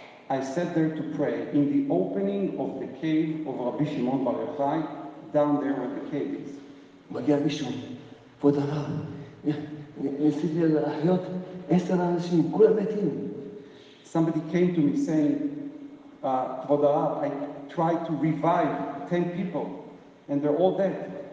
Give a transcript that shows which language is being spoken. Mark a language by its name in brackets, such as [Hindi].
[English] I sat there to pray in the opening of the cave of Rabbi Shimon Bar Yochai, down there where the cave is. [Hebrew] מגיע מישהו, כבוד הרב, ניסיתי להחיות עשר אנשים, כולם מתים. [English] Somebody came to me saying, כבוד הרב, I tried to revive 10 people, and they're all dead.